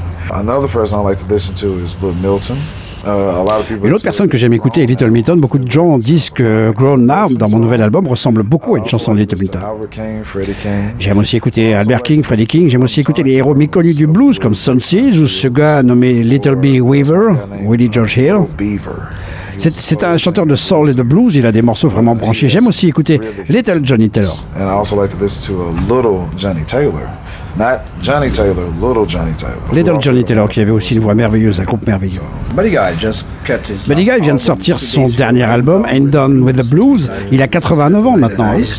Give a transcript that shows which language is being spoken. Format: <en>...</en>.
<en>Another person I like to listen to is Little Milton.</en> <fr>Une autre personne que j'aime écouter est Little Milton. Beaucoup de gens disent que Grown Now, dans mon nouvel album, ressemble beaucoup à une chanson de Little Milton. J'aime aussi écouter Albert King, Freddie King. J'aime aussi écouter les héros méconnus du blues comme Sun Seas ou ce gars nommé Little B. Weaver, Willie George Hill. C'est un chanteur de soul et de blues. Il a des morceaux vraiment branchés. J'aime aussi écouter Little Johnny Taylor.</fr> <en>And I also like to listen to a Little Johnny Taylor. Not Johnny Taylor, Little Johnny Taylor.</en> <fr>Little Johnny Taylor, qui avait aussi une voix merveilleuse, un groupe merveilleux. Buddy Guy vient de sortir son dernier album, End Done With The Blues. Il a 89 ans maintenant.</fr>